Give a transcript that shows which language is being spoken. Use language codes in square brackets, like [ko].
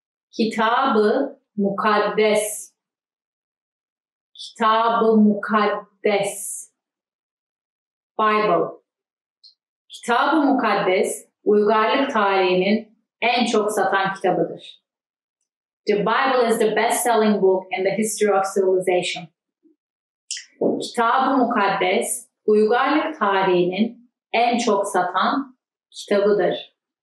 [tr] Kitab-ı Mukaddes. Kitab-ı Mukaddes. Bible. Kitab-ı Mukaddes, uygarlık tarihinin en çok satan kitabıdır. [en] The Bible is the best-selling book in the history of civilization. [tr] Kitab-ı Mukaddes, uygarlık tarihinin en çok satan kitabıdır.